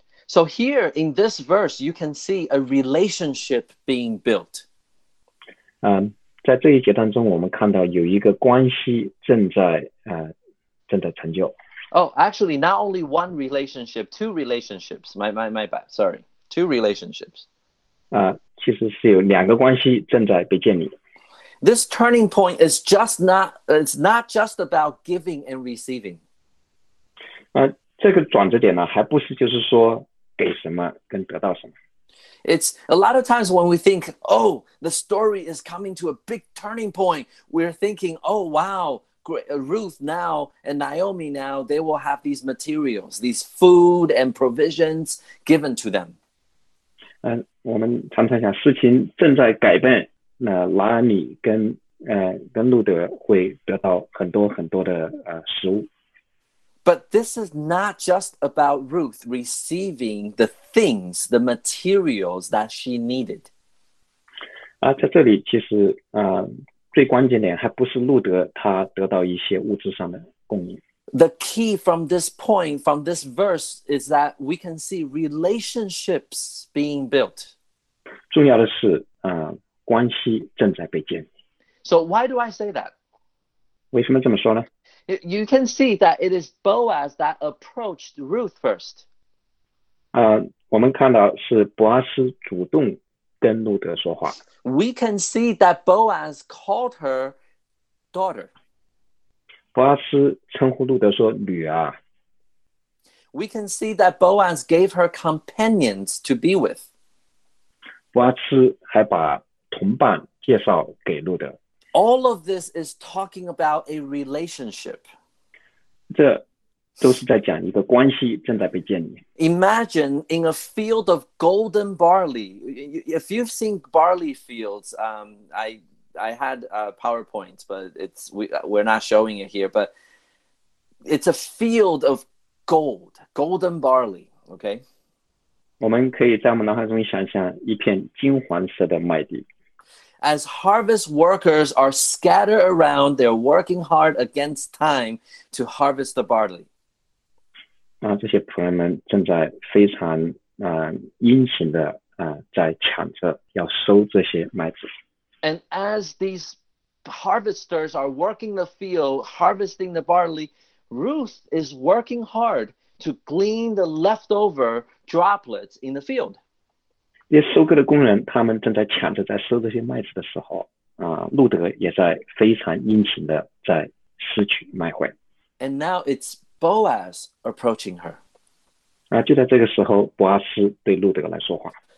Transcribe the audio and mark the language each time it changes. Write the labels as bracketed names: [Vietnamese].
[English] So here in this verse, you can see a relationship being built. [Chinese] 在这一节当中，我们看到有一个关系正在成就。 [English] Oh, actually, not only one relationship, two relationships. My bad. Sorry. Two relationships. [Chinese] 其实是有两个关系正在被建立。 [English] This turning point is just not, it's not just about giving and receiving. [Chinese] 这个转折点呢，还不是就是说给什么跟得到什么。 [English] It's a lot of times when we think, oh, the story is coming to a big turning point, we're thinking, oh, wow, Ruth now and Naomi now, they will have these materials, these food and provisions given to them. [Chinese] 我们常常想，事情正在改变，那拉米跟路德会得到很多很多的食物。 [English] But this is not just about Ruth receiving the things, the materials that she needed. [Chinese] 在这里其实最关键点还不是路德他得到一些物质上的供应。 [English] The key from this point, from this verse, is that we can see relationships being built. [Chinese] 重要的是，关系正在被建立。 [English] So, why do I say that? [Chinese] 为什么这么说呢？ [English] You can see that it is Boaz that approached Ruth first. [Chinese] 我们看到是伯阿斯主动跟路德说话。 [English] We can see that Boaz called her daughter. [Chinese] 伯阿斯称呼路德说：“女儿。” [English] We can see that Boaz gave her companions to be with. [Chinese] 伯阿斯还把同伴介绍给路德， [English] All of this is talking about a relationship. [Chinese] 这都是在讲一个关系正在被建立。 [English] Imagine in a field of golden barley. If you've seen barley fields, I had a PowerPoint, but we're not showing it here, but it's a field of golden barley, okay? [Chinese] 我们可以在我们脑海中想象一片金黄色的麦地。 [English] As harvest workers are scattered around, they're working hard against time to harvest the barley. [Chinese] 这些仆人们正在非常殷勤的在抢着要收这些麦子。 [English] And as these harvesters are working the field, harvesting the barley, Ruth is working hard to glean the leftover droplets in the field. [Chinese] 那些收割的工人，他们正在抢着在收这些麦子的时候，路德也在非常殷勤的在拾取麦穗。 [English] And now it's Boaz approaching her. [Chinese] 就在这个时候，伯阿斯对路德来说话。